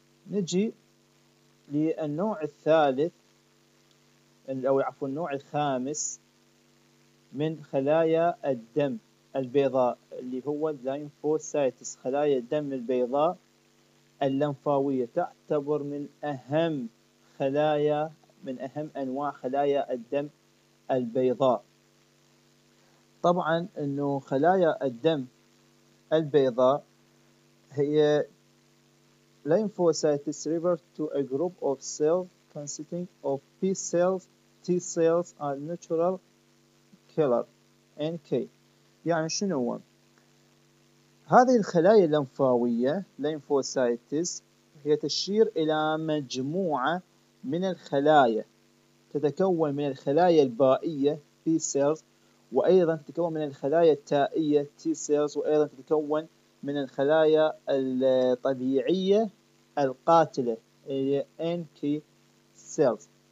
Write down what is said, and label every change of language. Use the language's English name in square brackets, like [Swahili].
[Arabic] نجي للنوع الثالث أو عفوا النوع الخامس من خلايا الدم البيضاء اللي هو اللينفوسايتس، خلايا الدم البيضاء اللمفاوية. تعتبر من أهم خلايا، من أهم أنواع خلايا الدم البيضاء. طبعا إنه خلايا الدم البيضاء هي [English] lymphocytes revert to a group of cells consisting of B cells, T cells and natural killer NK. [Arabic] يعني شنو هو؟ هذه الخلايا اللمفاوية lymphocytes هي تشير إلى مجموعة من الخلايا تتكون من الخلايا البائية B cells، وأيضا تتكون من الخلايا التائية T cells، وأيضا تتكون من الخلايا الطبيعية القاتلة NK cells.